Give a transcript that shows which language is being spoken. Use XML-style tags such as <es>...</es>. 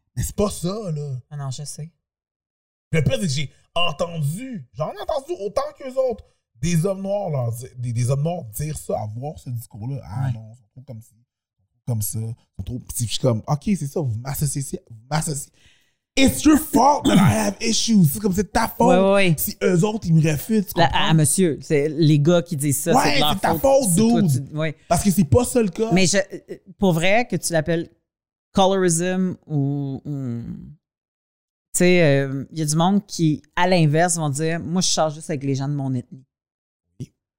<fr>Mais c'est pas ça, là. Ah non, je sais. Le pire, c'est que j'en ai entendu autant qu'eux autres, des hommes noirs, là, des hommes noirs dire ça, avoir ce discours-là. Ah ouais. Non, c'est trop comme ça. Comme ça, c'est trop petit. Je suis comme, OK, c'est ça, vous m'associez.</fr> <en>It's your fault that I have issues.</en> <fr>C'est comme, c'est ta faute. Oui, oui. Si eux autres, ils me refutent, tu comprends? Ah, monsieur, c'est les gars qui disent ça. Ouais, c'est, de leur c'est ta faute, c'est</fr> <en>dude.</en> <fr>Oui. Parce que c'est pas ça le cas. Mais je, pour vrai, que tu l'appelles colorism ou. Tu sais, il y a du monde qui, à l'inverse, vont dire, moi, je sors juste avec les gens de mon ethnie. Oui.</fr>